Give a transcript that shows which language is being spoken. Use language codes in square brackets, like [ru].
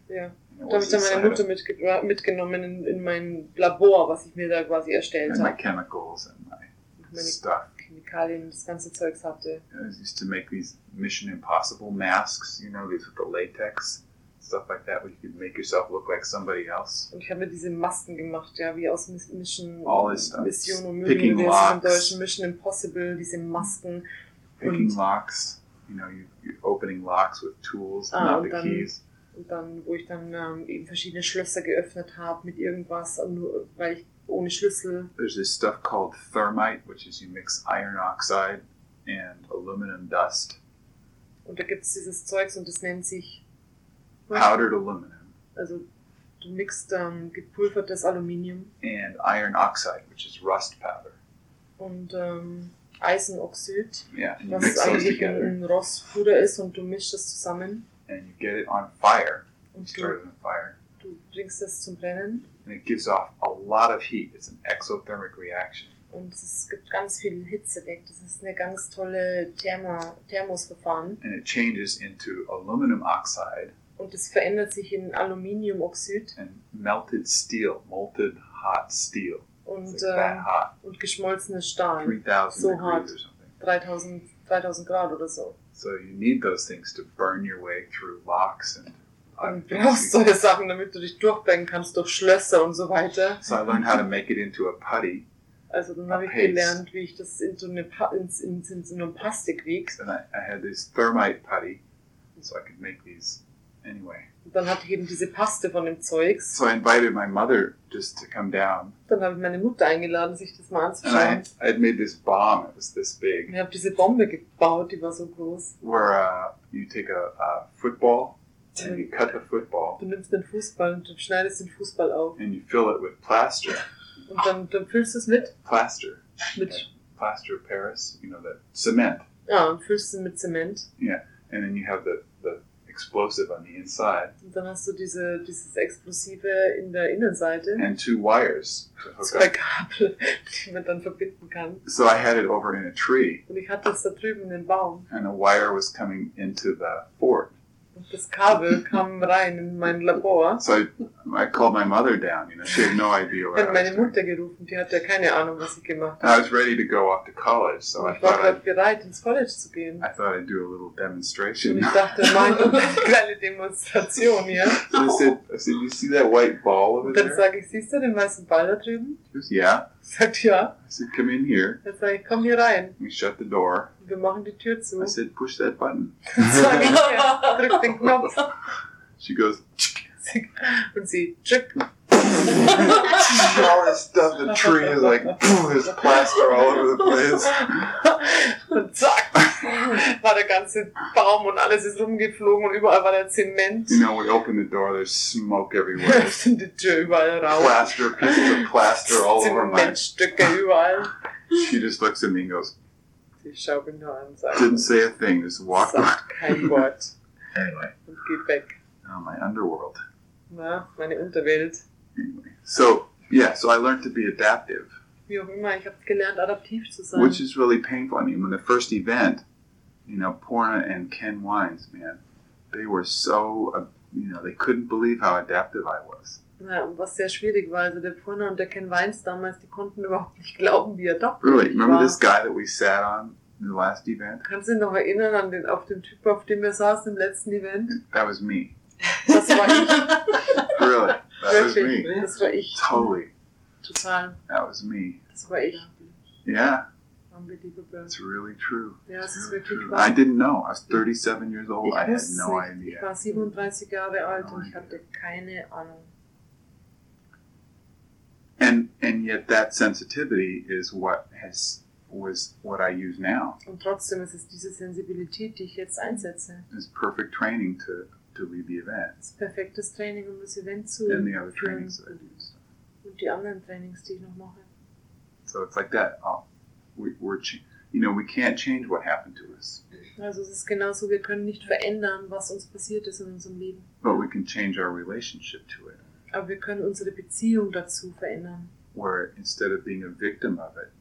[en] Yeah. [de] Da habe ich dann meine Mutter mitgenommen in mein Labor, was ich mir da quasi erstellt habe. [en] And my chemicals and my stuff. [de] Chemikalien, das ganze Zeugs hatte. [en] I used to make these Mission Impossible masks, you know, these with the latex, stuff like that, where you could make yourself look like somebody else. [de] Und ich habe mir diese Masken gemacht, ja, wie aus Mission, [en] all this stuff. [de] Mission und [en] Picking [de] und [en] locks. [de] Im Deutschen Mission Impossible, diese Masken. [en] Picking locks, you know, you're opening locks with tools, not the keys. [de] Und dann, wo ich dann eben verschiedene Schlösser geöffnet habe mit irgendwas, weil ich ohne Schlüssel. [en] There's this stuff called thermite, which is you mix iron oxide and aluminum dust. [de] Und da gibt es dieses Zeugs und das nennt sich [en] powdered aluminum. [de] Also du mixt gepulvertes Aluminium. [en] And iron oxide, which is rust powder. [de] Und Eisenoxid. [en] Yeah, [de] was eigentlich ein Rostpuder ist, und du mischst es zusammen. [en] And you get it on fire. Und start it on fire. [de] Du bringst es zum Brennen. [en] And it gives off a lot of heat. It's an exothermic reaction. [de] Und es gibt ganz viel Hitze weg. Das ist eine ganz tolle Thermosverfahren. [en] And it changes into aluminum oxide. [de] Und es verändert sich in Aluminiumoxid. [en] And melted steel, molted hot steel. Und, like hot. [de] Und geschmolzenes Stahl. 3000 so hart. 3000 Grad oder so. [en] So you need those things to burn your way through locks and. [de] Und du brauchst solche Sachen, damit du dich durchbrennen kannst durch Schlösser und so weiter. [en] So I learned how to make it into a putty. [de] Also dann habe ich gelernt, wie ich das in so eine Paste kriege. [en] And I had this thermite putty, so I could make these. Anyway. [de] Dann hatte ich eben diese Paste von dem Zeugs. [en] So I invited my mother just to come down. [de] Dann habe ich meine Mutter eingeladen, sich das mal anzuschauen. [en] And I had made this bomb. It was this big. [de] Ich habe diese Bombe gebaut, die war so groß. [en] Where you take a football and you cut the football. [de] Du nimmst den Fußball und du schneidest den Fußball auf. [en] And you fill it with plaster. [de] Und dann füllst du es mit? [en] Plaster. [de] Mit [en] plaster of Paris, you know, the cement. [de] Ja, und füllst es mit Zement. [en] Yeah, and then you have the explosive on the inside. [de] Und dann hast du dieses Explosive in der Innenseite. [en] And two wires. [de] Zwei Kabel, die man dann verbinden kann. [en] So I had it over in a tree. [de] Und ich hatte es da drüben in den Baum. [en] And a wire was coming into the fort. [de] Und das Kabel kam rein in mein Labor. [en] So I called my mother down, you know, she had no idea what I was doing. [de] Hat meine Mutter gerufen, die hatte keine Ahnung, was ich gemacht habe. [en] I was ready to go off to college, so [de] ich war gerade bereit, ins College zu gehen. [en] I thought I'd do a little demonstration. [de] Und ich dachte, mach eine kleine Demonstration, ja. [en] So I said, you see that white ball over there? [de] Und dann sage ich, siehst du den weißen Ball da drüben? [en] Yeah. [de] Sagt ja. [en] I said, come in here. [de] Dann sage ich, komm hier rein. [en] We shut the door. [de] Wir machen die Tür zu. [en] I said, push that button. [de] Sag ich, ja, drück den Knopf. [en] She goes, 20 und sie chip. All this stuff, the tree is like, boom, there's plaster all over the place. [de] Und zack, war der ganze Baum und alles ist rumgeflogen und überall war der Zement. [en] You know, we open the door, there's smoke everywhere. [de] Die Tür überall raus. [en] Plaster, pieces of plaster all over my... [de] Zementstücke überall. [en] She just looks at me and goes... [de] Die schaut mich nur an, sagt... [en] Didn't say a thing, just walked [de] out. Kein Wort. [en] Anyway. [de] Und geht weg. [en] Oh, my underworld. [de] Na, meine Unterwelt. [en] So, yeah, so I learned to be adaptive. [de] Wie auch immer, ich habe gelernt, adaptiv zu sein. [en] Which is really painful. I mean, when the first event, you know, Porna and Ken Wines, man, they were so, you know, they couldn't believe how adaptive I was. [de] Ja, was sehr schwierig war, also der Porna und der Ken Wines damals, die konnten überhaupt nicht glauben, wie adaptiv [en] really, [de] ich war. [en] Really, remember this guy that we sat on in the last event? [de] Kannst du dich noch erinnern an den, auf den Typ, auf dem wir saßen im letzten Event? [en] That was me. [de] Das war ich. [en] Really? That was me. [de] Das war ich. [en] Totally. [de] Total. [en] That was me. [de] Das war ich. [en] Yeah. It's really true. [de] Ja, [en] it's really [de] wirklich [en] true. I didn't know. I was 37 years old. I had no idea. [de] Ich war 37 Jahre alt und ich hatte keine Ahnung. [en] And yet that sensitivity is what was what I use now. [de] Und trotzdem ist es diese Sensibilität, die ich jetzt einsetze. [en] It's perfect training to lead the event. [de] Das perfekte Training, um das Event zu führen. [en] And the other trainings that I do. [de] Und die anderen Trainings, die ich noch mache. [en] So it's like that. Oh, you know, we can't change what happened to us. [de] Also es ist genauso, wir können nicht verändern, was uns passiert ist in unserem Leben. [en] But we can change our relationship to it. [de] Aber wir können unsere Beziehung dazu verändern. [en] Where instead of being a victim of it,